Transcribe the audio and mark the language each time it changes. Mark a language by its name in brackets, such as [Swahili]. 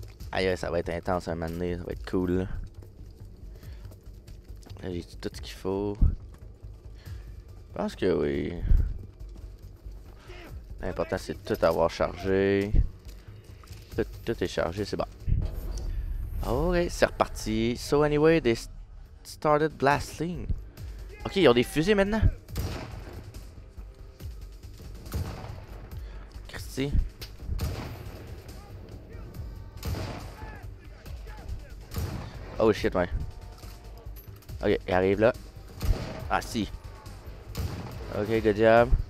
[French] Aïe, ça va être intense un moment donné, ça va être cool. Là, j'ai tout ce qu'il faut. Je pense que oui. L'important, c'est de tout avoir chargé. Tout est chargé, c'est bon. Ok, c'est reparti. [English] So, anyway, they started blasting. [French] Ok, ils ont des fusées maintenant. [English] Oh shit, [French] ouais. Ok, il arrive là. Ah si. Ok, [English] good job.